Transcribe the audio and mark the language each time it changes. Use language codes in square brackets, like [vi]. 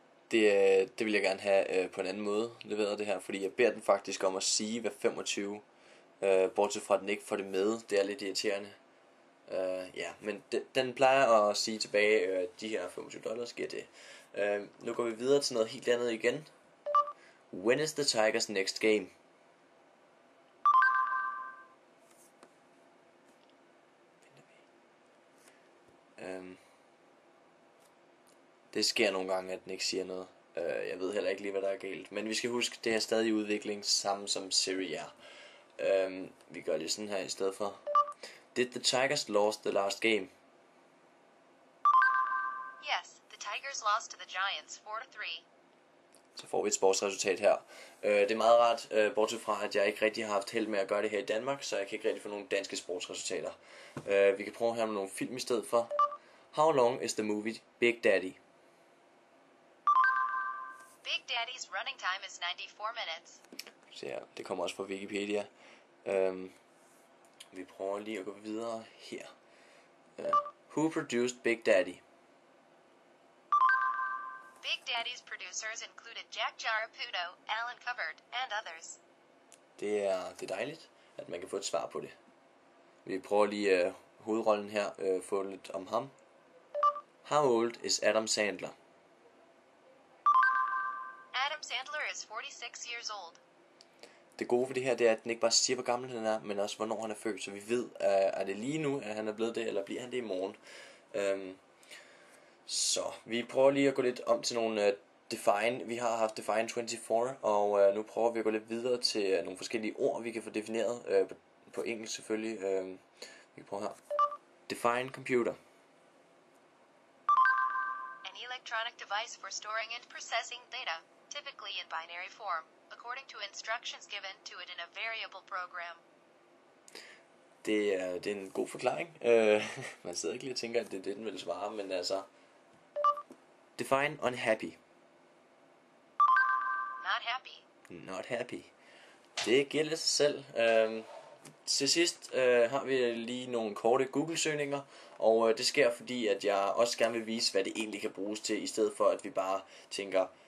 [da] Det vil jeg gerne have på en anden måde leveret det her, fordi jeg beder den faktisk om at sige, hvad 25, bortset fra at den ikke får det med. Det er lidt irriterende. Ja, men den plejer at sige tilbage, at de her 25 dollars giver det. Nu går vi videre til noget helt andet igen. [en] When is the Tigers next game? [da] Det sker nogle gange, at den ikke siger noget. Jeg ved heller ikke lige, hvad der er galt. Men vi skal huske, det er stadig udvikling, samme som Siri er. Vi gør lige sådan her i stedet for. [en] Did the Tigers lost the last game? Yes, the Tigers lost to the Giants 4-3. [da] Så får vi et sportsresultat her. Det er meget rart, bortset fra, at jeg ikke rigtig har haft held med at gøre det her i Danmark, så jeg kan ikke rigtig få nogle danske sportsresultater. Vi kan prøve her med nogle film i stedet for. [en] How long is the movie Big Daddy? Big Daddy's running time is 94 minutes. [da] Så ja, det kommer også fra Wikipedia. Vi prøver lige at gå videre her. [en] Who produced Big Daddy? Big Daddy's producers included Jack Jaraputo, Alan Covert and others. [da] Det er dejligt, at man kan få et svar på det. Vi prøver lige hovedrollen her, få lidt om ham. [en] How old is Adam Sandler? Sandler is 46 years old. [da] Det gode ved det her, det er, at den ikke bare siger, hvor gammel han er, men også, hvornår han er født. Så vi ved, er det lige nu, at han er blevet det, eller bliver han det i morgen. Så vi prøver lige at gå lidt om til nogle define. Vi har haft define 24, og nu prøver vi at gå lidt videre til nogle forskellige ord, vi kan få defineret. På engelsk selvfølgelig. Vi prøver her. [en] Define computer. An electronic device for storing and processing data. Typically in binary form, according to instructions given to it in a variable program. [da] Det er en god forklaring. Man sidder ikke lige og tænker, at det er det, den vil svare, men altså... [en] Define unhappy. Not happy. Not happy. [da] Det giver lidt sig selv. Til sidst har vi lige nogle korte Google-søgninger, og det sker fordi, at jeg også gerne vil vise, hvad det egentlig kan bruges til, i stedet for, at vi bare tænker...